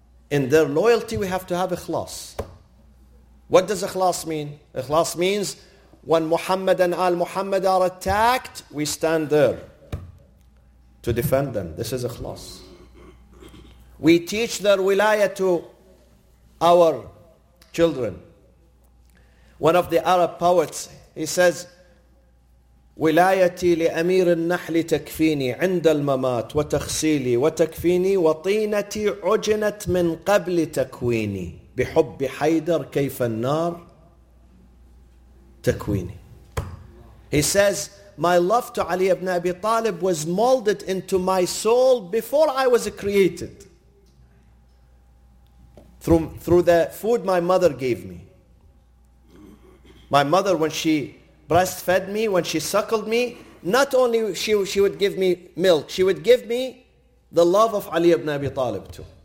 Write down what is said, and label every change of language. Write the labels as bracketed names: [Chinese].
[English] In their loyalty, we have to have ikhlas. What does ikhlas mean? Ikhlas means when Muhammad and Al-Muhammad are attacked, we stand there to defend them. This is ikhlas. We teach their wilaya to our children. One of the Arab poets, he says, [Arabic] ولايتي لأمير النحل تكفيني عند الممات وتخسيلي وتكفيني وطينتي عجنت من قبل تكويني بحب حيدر كيف النار تكويني. [English] He says, my love to Ali ibn Abi Talib was molded into my soul before I was created through the food my mother gave me. My mother, when she breastfed me, when she suckled me, not only she would give me milk, she would give me the love of Ali ibn Abi Talib too.